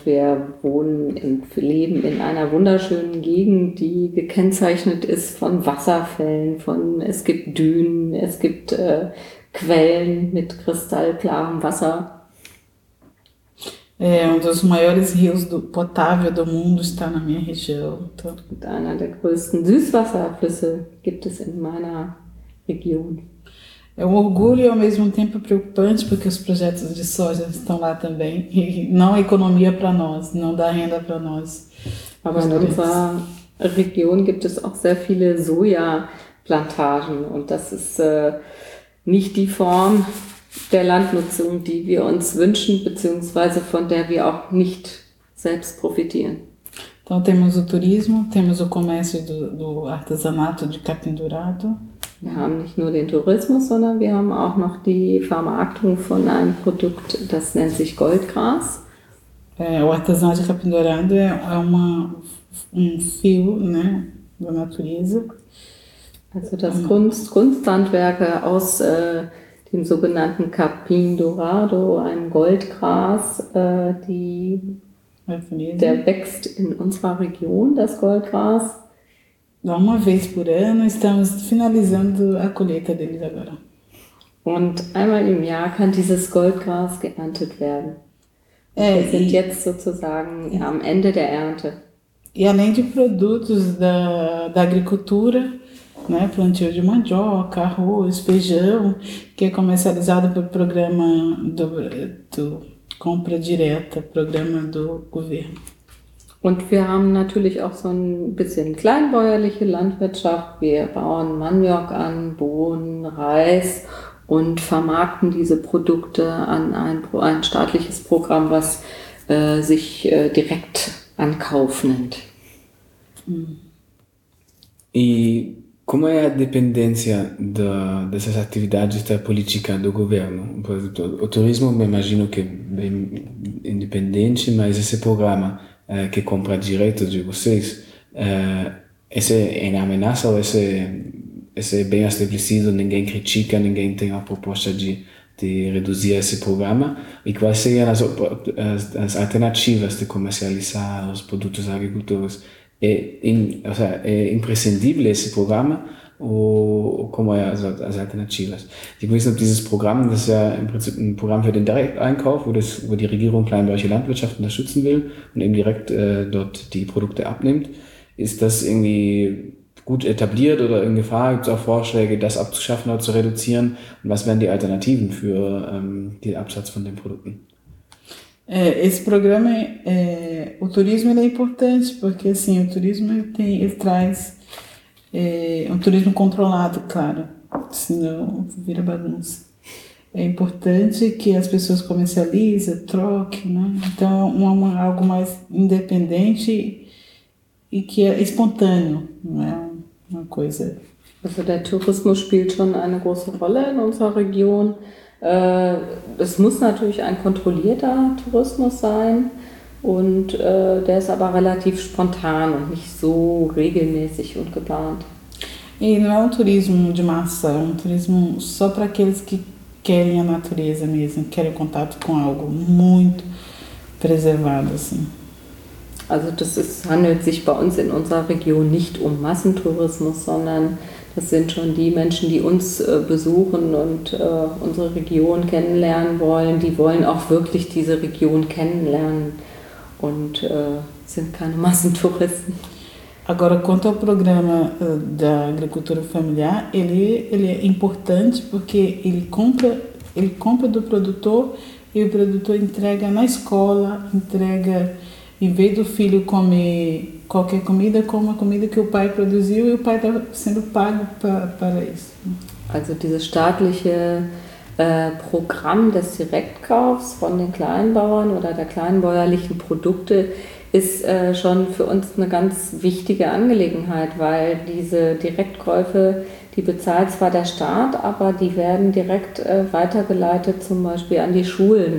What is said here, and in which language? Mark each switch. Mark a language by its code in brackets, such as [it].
[de] Wir wohnen leben in einer wunderschönen Gegend, die gekennzeichnet ist von Wasserfällen, es gibt Dünen, es gibt Quellen mit kristallklarem Wasser. [pt] Um dos maiores rios potável do mundo está na minha região. [de] Und einer der größten Süßwasserflüsse gibt es in meiner Region. [pt] É um orgulho e ao mesmo tempo preocupante, porque os projetos de soja estão lá também. E não economia para nós, não dá renda para nós. [de] Aber in unserer Region gibt es auch sehr viele Sojaplantagen. Und das ist nicht die Form der Landnutzung, die wir uns wünschen, beziehungsweise von der wir auch nicht selbst profitieren. [pt] Então temos o turismo, temos o comércio do artesanato de capim dourado. [de] Wir haben nicht nur den Tourismus, sondern wir haben auch noch die Vermarktung von einem Produkt, das nennt sich Goldgras. [pt] O artesanato de capim dourado é um fio, né, da natureza. [de] Also das Kunsthandwerke aus dem sogenannten Capim Dourado, einem Goldgras, der wächst in unserer Region, das Goldgras. [pt] Uma vez por ano estamos finalizando a colheita deles agora. [de] Und einmal im Jahr kann dieses Goldgras geerntet werden. Wir sind jetzt sozusagen am Ende der Ernte. [pt] E além de produtos da agricultura, né, plantio de mandioca, arroz, feijão, que é comercializado pelo programa do compra direta, programa do governo. [de] Und wir haben natürlich auch so ein bisschen kleinbäuerliche Landwirtschaft. Wir bauen Maniok an, Bohnen, Reis und vermarkten diese Produkte an ein staatliches Programm, was sich direkt an Kauf nennt. [pt] E como é a dependência dessas atividades da política do governo? O turismo, me imagino que é bem independente, mas esse programa que compra direto de vocês, esse é uma ameaça ou esse é bem estabelecido, ninguém critica, ninguém tem a proposta de reduzir esse programa? E quais seriam as alternativas de comercializar os produtos agricultores? É imprescindível esse programa ou como é as alternativas? Tipo, isso, [de] dieses Programm, das ist ja im Prinzip ein Programm für den Direkteinkauf, wo die Regierung kleinbäuerliche Landwirtschaft unterstützen will und eben direkt dort die Produkte abnimmt. Ist das irgendwie gut etabliert oder in Gefahr? Gibt es auch Vorschläge, das abzuschaffen oder zu reduzieren? Und was wären die Alternativen für den Absatz von den Produkten? [pt] Esse programa, o turismo, ele é importante, porque assim, o turismo ele traz um turismo controlado, claro, senão vira bagunça. É importante que as pessoas comercializem, troquem, né? Então é algo mais independente e que é espontâneo, não é uma coisa. [de] Also, der Tourismus spielt schon eine große Rolle in unserer Region. Es muss natürlich ein kontrollierter Tourismus sein und der ist aber relativ spontan und nicht so regelmäßig und geplant. [pt] E não é turismo de massa, é turismo só para aqueles que querem a natureza mesmo, querem contato com algo muito preservado assim. [de] Also das handelt sich bei uns in unserer Region nicht Massentourismus, sondern das sind schon die Menschen, die uns besuchen und unsere Region kennenlernen wollen. Die wollen auch wirklich diese Region kennenlernen und sind keine Massentouristen. [pt] Agora, quanto ao programa da agricultura familiar, ele é importante porque ele compra do produtor e o produtor entrega na escola, entrega em vez do filho comer qualquer comida, como a comida que o pai produziu e o pai está sendo pago para isso. [de] Also dieses staatliche Programm des Direktkaufs von den Kleinbauern oder der kleinbäuerlichen Produkte ist schon für uns eine ganz wichtige Angelegenheit, weil diese Direktkäufe, die bezahlt zwar der Staat, aber die werden direkt weitergeleitet, zum Beispiel an die Schulen.